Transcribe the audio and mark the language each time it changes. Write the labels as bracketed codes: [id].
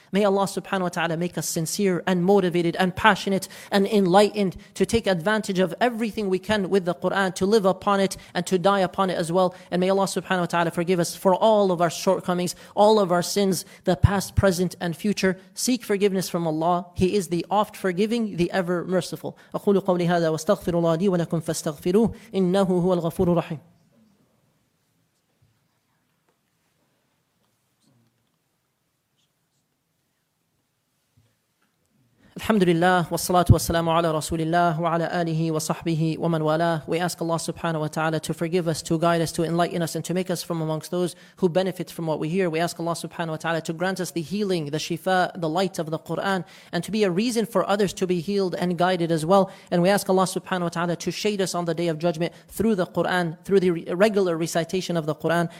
[en] May Allah subhanahu wa ta'ala make us sincere and motivated and passionate and enlightened to take advantage of everything we can with the Qur'an, to live upon it and to die upon it as well. And may Allah subhanahu wa ta'ala forgive us for all of our shortcomings, all of our sins, the past, present, and future. Seek forgiveness from Allah. He is the oft forgiving, the ever merciful. [ar] أقول قولي هذا واستغفر الله لي ولكم فاستغفروه إنه هو الغفور الرحيم. الحمد لله والصلاة والسلام على رسول الله وعلى آله وصحبه ومن والاه. [en] We ask Allah subhanahu wa ta'ala to forgive us, to guide us, to enlighten us, and to make us from amongst those who benefit from what we hear. We ask Allah subhanahu wa ta'ala to grant us the healing, the shifa, the light of the Qur'an, and to be a reason for others to be healed and guided as well. And we ask Allah subhanahu wa ta'ala to shade us on the Day of Judgment through the Qur'an, through the regular recitation of the Qur'an.